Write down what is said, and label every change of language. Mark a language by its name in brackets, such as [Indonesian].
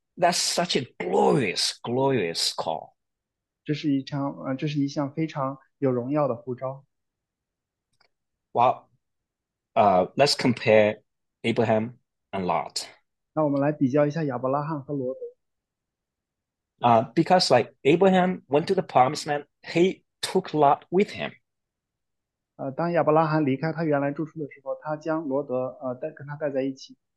[English] That's such a glorious, glorious call. [Chinese] 这是一项非常有荣耀的呼召。 [English] Well, let's compare Abraham and Lot. [Chinese] 那我们来比较一下亚伯拉罕和罗德。 [English] Because like Abraham went to the promised land, he took Lot with him. [Chinese] 当亚伯拉罕离开他原来住处的时候，他将罗德跟他带在一起。